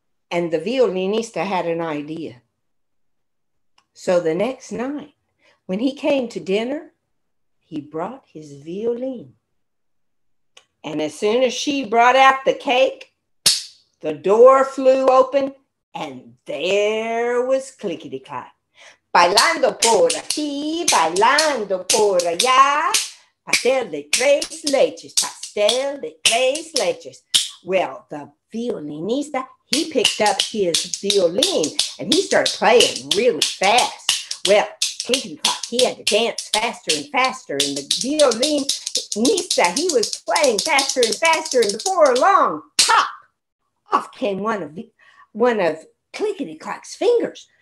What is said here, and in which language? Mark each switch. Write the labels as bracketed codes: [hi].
[en] And the violinista had an idea. So the next night, when he came to dinner, he brought his violin. And as soon as she brought out the cake, the door flew open, and there was Clickety-Clack. [es] Bailando por aquí, bailando por allá. Pastel de tres leches, pastel de tres leches. [en] Well, the violinista, he picked up his violin, and he started playing really fast. Well, Clickety-Clack, he had to dance faster and faster, and the violin... Nisa, he was playing faster and faster, and before long, pop, off came one of Clickety-Clack's fingers.